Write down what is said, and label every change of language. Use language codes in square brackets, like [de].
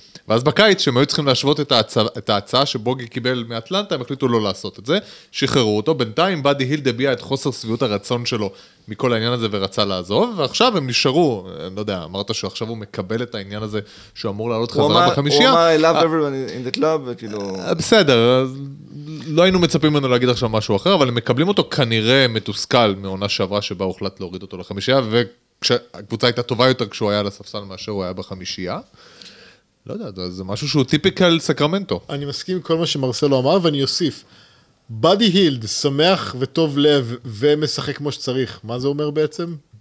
[he] ואז בקיץ, שהם היו צריכים להשוות את ההצעה שבוגי קיבל מאטלנטה, הם החליטו לא לעשות את זה, שחררו אותו. בינתיים באדי הילד הביע את חוסר סביעות הרצון שלו מכל העניין הזה ורצה לעזוב, ועכשיו הם נשארו, אני לא יודע, אמרת שעכשיו הוא מקבל את העניין הזה שהוא אמור לעלות חזרה בחמישייה. הוא אמר, [en] I love everyone in the club, [he] וכאילו... בסדר, לא היינו מצפים ממנו להגיד עכשיו משהו אחר, אבל הם מקבלים אותו כנראה מתוסכל מעונה שעברה שבה הוחלט להוריד אותו לחמישייה, והקבוצה הייתה טובה יותר כשהוא היה לספסל מאשר הוא היה בחמישייה. לא יודע, זה משהו שהוא טיפיקל סקרמנטו. אני מסכים עם כל מה שמרסלו אמר, ואני אוסיף. באדי הילד, שמח וטוב לב ומשחק כמו שצריך. מה זה אומר בעצם?